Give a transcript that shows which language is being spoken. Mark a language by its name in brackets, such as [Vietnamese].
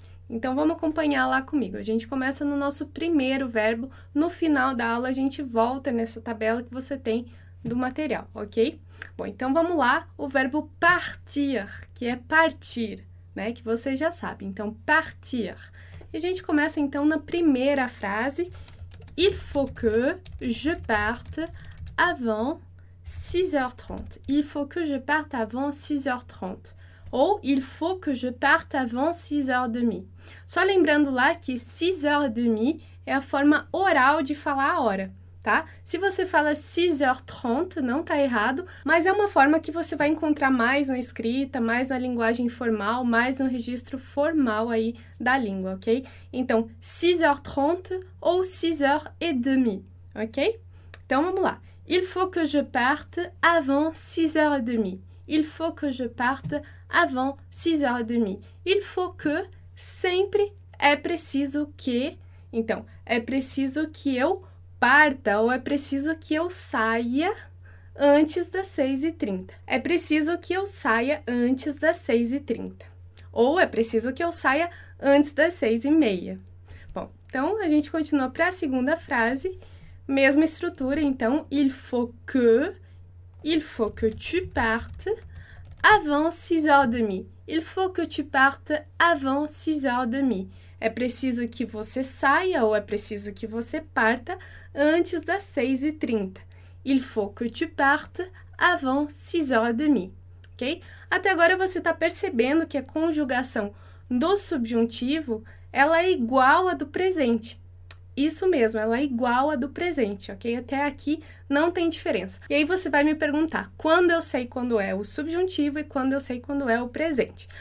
[Portuguese] Então, vamos acompanhar lá comigo. A gente começa no nosso primeiro verbo, no final da aula a gente volta nessa tabela que você tem do material, ok? Bom, então vamos lá, o verbo partir, que é partir, né? Que você já sabe. Então, partir. E a gente começa então na primeira frase. [French] Il faut que je parte avant 6h30. Il faut que je parte avant 6h30. Ou il faut que je parte avant 6h30. [Portuguese] Só lembrando lá que 6h30 é a forma oral de falar a hora, tá? Se você fala 6h30, não tá errado, mas é uma forma que você vai encontrar mais na escrita, mais na linguagem formal, mais no registro formal aí da língua, ok? Então, 6h30 ou 6h30, ok? Então, vamos lá. [French] Il faut que je parte avant 6h30. Il faut que je parte avant 6h30. Il faut que, [Portuguese] sempre é preciso que. Então, é preciso que eu parta, ou é preciso que eu saia antes das 6h30. É preciso que eu saia antes das 6h30. Ou é preciso que eu saia antes das 6h30. Bom, então a gente continua para a segunda frase, mesma estrutura, então, [French] il faut que tu partes avant 6h30. Il faut que tu partes avant 6h30. [Portuguese] É preciso que você saia ou é preciso que você parta antes das 6h30. [French] Il faut que tu partes avant 6h30. Ok? [Portuguese] Até agora você está percebendo que a conjugação do subjuntivo ela é igual à do presente. Isso mesmo, ela é igual à do presente, ok? Até aqui não tem diferença. E aí você vai me perguntar quando eu sei quando é o subjuntivo e quando eu sei quando é o presente.